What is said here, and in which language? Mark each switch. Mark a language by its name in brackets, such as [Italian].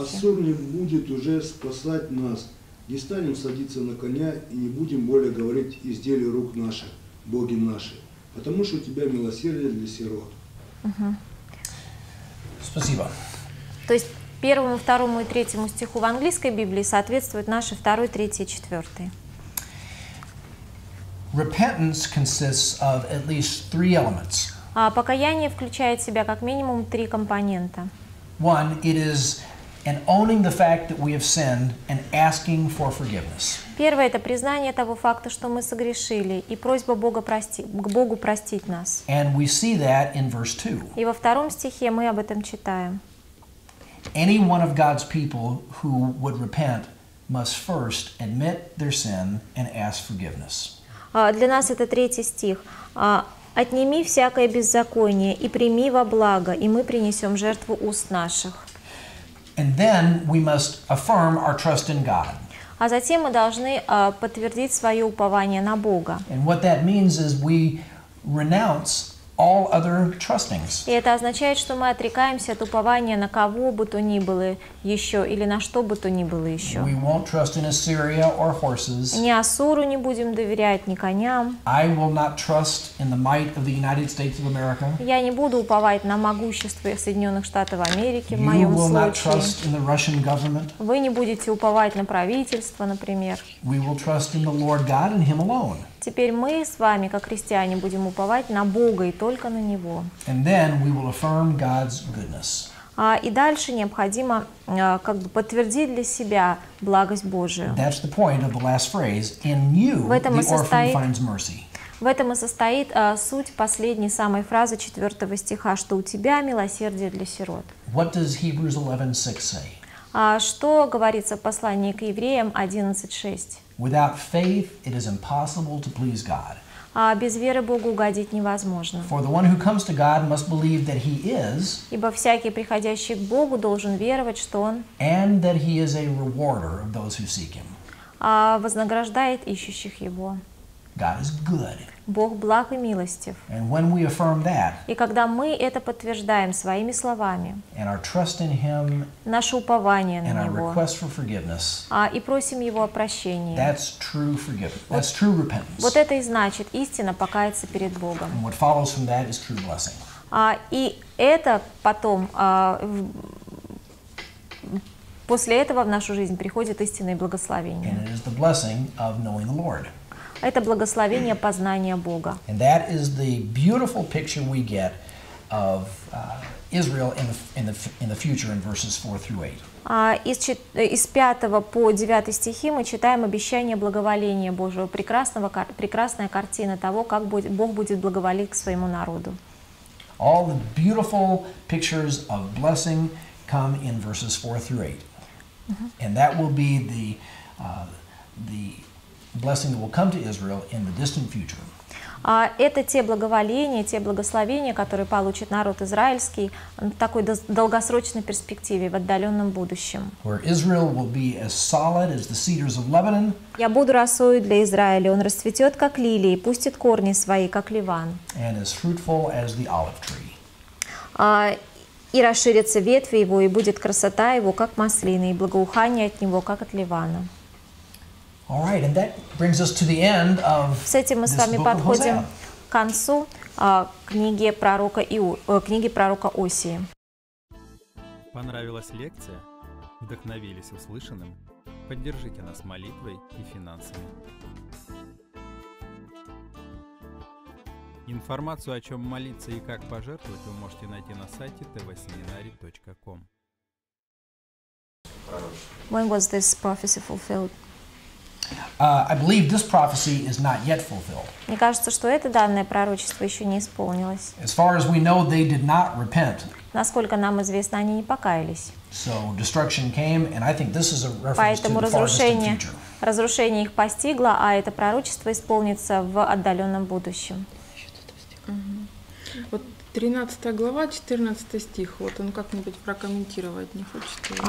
[Russian] Ассур не будет уже спасать нас. Не станем садиться на коня и не будем более говорить изделия рук наших, боги наши, потому что у тебя милосердие для сирот. Спасибо. То есть первому, второму и третьему стиху в английской Библии соответствуют наши второй, третий и четвертый. [English] Repentance consists of at least three elements. [Russian] А покаяние включает в себя как минимум три компонента. [English] One, it is and owning the fact that we have sinned and asking for forgiveness. [Russian] Первое это признание того факта, что мы согрешили, и просьба Бога простить, к Богу простить нас. [English] And we see that in verse 2. [Russian] И во втором стихе мы об этом читаем. [English] Any one of God's people who would repent must first admit their sin and ask forgiveness. [Russian] Для нас это третий стих. Отними всякое беззаконие и прими во благо, и мы принесем жертву уст наших. [English] And then we must affirm our trust in God. [Russian] А затем мы должны подтвердить свое упование на Бога. [English] And what that means is we renounce all other trustings. [Russian] И это означает, что мы отрекаемся от упования на кого бы то ни было еще или на что бы то ни было еще. [English] We won't trust in Assyria or horses. [Russian] Ни Ассуру не будем доверять, ни коням. [English] I will not trust in the might of the United States of America. [Russian] Я не буду уповать на могущество Соединенных Штатов Америки в моем случае. [English] You will not trust in the Russian government. [Russian] Вы не будете уповать на правительство, например. [English] We will trust in the Lord God and Him alone. [Russian] Теперь мы с вами, как христиане, будем уповать на Бога и только на Него. [English] And then we will affirm God's goodness. [Russian] И дальше необходимо как бы подтвердить для себя благость Божию. [English] That's the point of the last phrase. In you, the orphan finds mercy. [Russian] В этом и состоит суть последней самой фразы четвертого стиха, что у тебя милосердие для сирот. [English] What does Hebrews 11:6 say? [Russian] Что говорится в послании к евреям 11:6? [English] Without faith, it is impossible to please God. [Russian] Без веры Богу угодить невозможно. [English] For the one who comes to God must believe that He is. [Russian] Ибо всякий приходящий к Богу должен веровать, что Он. [English] And that He is a rewarder of those who seek Him. [Russian] Вознаграждает ищущих Его. [English] God is good. [Russian] Бог благ и милостив. [English] And when we affirm that. [Russian] И когда мы это подтверждаем своими словами. [English] And our trust in Him. [Russian] Наше упование на Него. [English] And our request for forgiveness. [Russian] И просим Его о прощении. [English] That's true forgiveness. That's true repentance. [Russian] Вот это и значит истинно покаяться перед Богом. [English] And what follows from that is true blessing. [Russian] И это потом После этого в нашу жизнь приходит истинное благословение. [English] And it is the blessing of knowing the Lord. [Russian] Это благословение познания Бога. [English] And that is the beautiful picture we get of Israel in the future in verses 4 through 8. [Russian] Из 5 по 9 стихи мы читаем обещание благоволения Божьего. Прекрасная картина того, как Бог будет благоволить к своему народу. [English] All the beautiful pictures of blessing come in verses 4 through 8. Mm-hmm. And that will be the blessing that will come to Israel in the distant future. [Russian] Это те благоволения, те благословения, которые получит народ израильский в такой долгосрочной перспективе, в отдаленном будущем. [English] Where Israel will be as solid as the cedars of Lebanon. [Russian] Я буду росою для Израиля, он расцветет, как лилии, пустит корни свои, как Ливан. [English] And as fruitful as the olive tree. [Russian] И расширятся ветви его, и будет красота его, как маслины, и благоухание от него, как от Ливана. [English] All right, and that brings us to the end of this book of Hosea. [Russian] С этим мы с вами подходим к концу книги пророка Осии. Понравилась лекция? Вдохновились услышанным? Поддержите нас молитвой и финансами. Информацию, о чем молиться и как пожертвовать, вы можете найти на сайте tvseminary.com. [English] When was this prophecy fulfilled? I believe this prophecy is not yet fulfilled. [Russian] Мне кажется, что это данное пророчество еще не исполнилось. [English] As far as we know, they did not repent. [Russian] Насколько нам известно, они не покаялись. [English] So destruction came, and I think this is a reference [Russian] Поэтому [English] to the far distant future. [Russian] Разрушение их постигло, а это пророчество исполнится в отдаленном будущем. Вот 13 глава, 14 стих. Вот он как-нибудь прокомментировать не хочет.